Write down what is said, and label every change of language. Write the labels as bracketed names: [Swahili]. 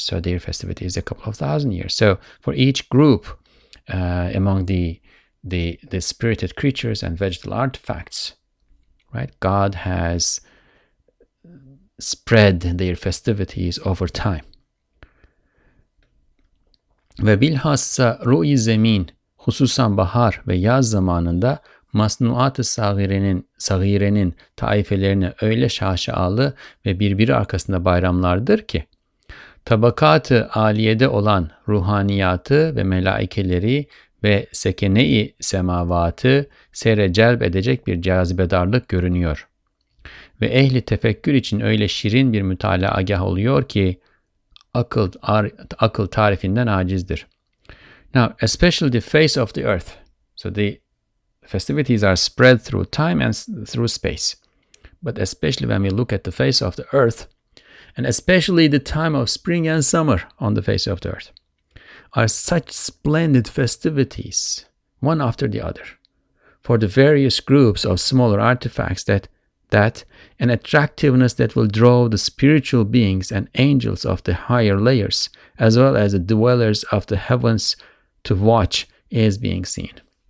[English] So their festivity is a couple of thousand years. So for each group among the spirited creatures and vegetal artifacts, right, God has spread their festivities over time. [Turkish] Ve bilhassa ru'i zemin, hususan bahar ve yaz zamanında masnuat-ı sagirenin taifelerine öyle şaşaalı ve birbiri arkasında bayramlardır ki, tabakat-ı aliyede olan ruhaniyatı ve melaikeleri ve sekene-i semavatı seyre celp edecek bir cazibedarlık görünüyor. Ve ehli tefekkür için öyle şirin bir mütalaagah oluyor ki akıl tarifinden acizdir. [English] Now, especially the face of the earth. So the festivities are spread through time and through space. But especially when we look at the face of the earth, and especially the time of spring and summer on the face of the earth, are such splendid festivities, one after the other, for the various groups of smaller artifacts that an attractiveness that will draw the spiritual beings and angels of the higher layers, as well as the dwellers of the heavens to watch, is being seen.